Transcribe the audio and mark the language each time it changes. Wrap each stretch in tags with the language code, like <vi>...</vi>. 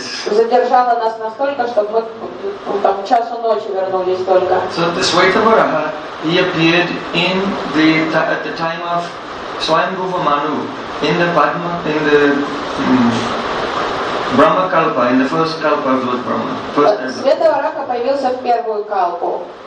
<ru>Задержало нас настолько, что мы там часу ночи вернулись только.</ru> <en>So the Света Вараха, he appeared in the at the time of Swayambhuva Manu in the Padma in the Brahma Kalpa, in the first Kalpa of Lord Brahma.</en> <ru>Света Вараха появился в первую Калпу.</ru>